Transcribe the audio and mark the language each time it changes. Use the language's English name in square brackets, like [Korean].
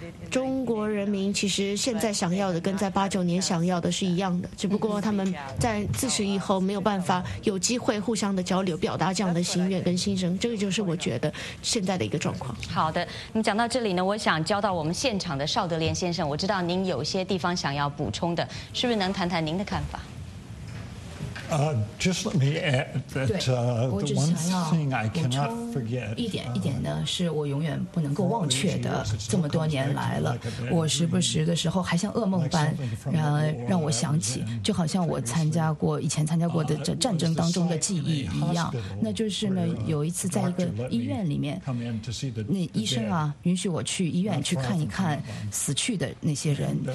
[Chinese] 中国人民其实现在想要的跟在八九年想要的是一样的，只不过他们在自此以后没有办法有机会互相的交流，表达这样的心愿跟心声。这个就是我觉得现在的一个状况。好的，那么讲到这里呢，我想交到我们现场的邵德莲先生，我知道您有些地方想要补充的，是不是能谈谈您的看法？ [English] Just let me add that the one thing I cannot forget. [Chinese] 一点一点的是我永远不能够忘却的。这么多年来了，我时不时的时候还像噩梦般，让我想起，就好像我以前参加过的战争当中的记忆一样。那就是呢，有一次在一个医院里面，那医生啊允许我去医院去看一看死去的那些人。